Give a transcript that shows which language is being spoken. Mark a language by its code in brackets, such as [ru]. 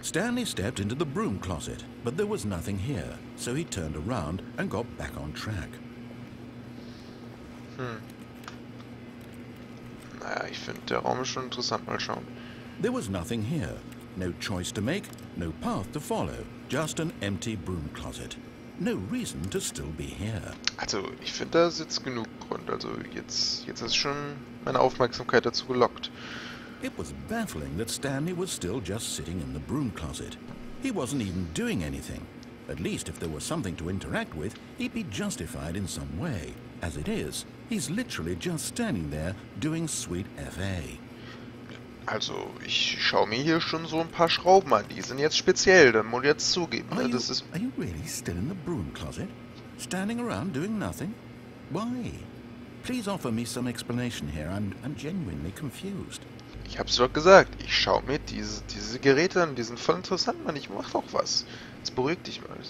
[en] Stanley stepped into the broom closet, but there was nothing here, so he turned around and got back on track. [de] Naja, ich finde, der Raum ist schon interessant. Mal schauen. [en] There was nothing here. No choice to make, no path to follow. Just an empty broom closet. No reason to still be here. [de] Also, ich finde, da ist jetzt genug Grund. Also, jetzt ist schon meine Aufmerksamkeit dazu gelockt. [en] It was baffling that Stanley was still just sitting in the broom closet. He wasn't even doing anything. At least, if there was something to interact with, he'd be justified in some way. As it is, he's literally just standing there doing sweet F.A. [de] Also, ich schaue mir hier schon so ein paar Schrauben an. Die sind jetzt speziell, dann muss ich jetzt zugeben, ne? Das ist. [en] Are you really still in the broom closet? Standing around doing nothing? Why? Please offer me some explanation here. I'm genuinely confused. [de] Ich hab's doch gesagt. Ich schaue mir diese Geräte an. Die sind voll interessant, Mann. Ich mach doch was. Das beruhigt dich mal.